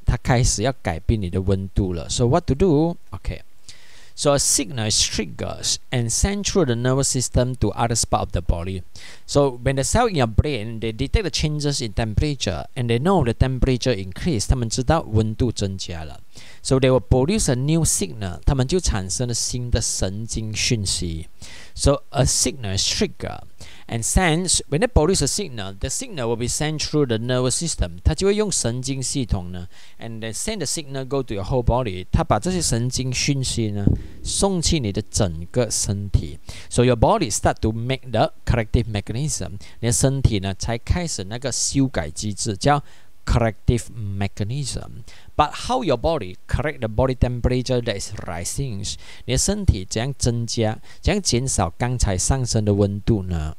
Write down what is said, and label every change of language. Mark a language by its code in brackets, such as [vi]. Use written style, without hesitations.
[zh] 它开始要改变你的温度了。 [en] So what to do? Okay. So a signal is triggered and sent through the nervous system to other parts of the body. So when the cell in your brain, they detect the changes in temperature and they know the temperature increased. [zh] 他们知道温度增加了。 [en] So they will produce a new signal. [zh] 他们就产生了新的神经讯息。 [en] So a signal is triggered. And sense, when they produce a signal, the signal will be sent through the nervous system. [zh] 它就会用神经系统呢 [en] and then send the signal go to your whole body. [zh] 它把这些神经讯息呢送去你的整个身体。 [en] So your body start to make the corrective mechanism. [zh] 你的身体呢才开始那个修改机制叫 [en] corrective mechanism. But how your body correct the body temperature that is rising? [zh] 你的身体怎样增加，怎样减少刚才上升的温度呢？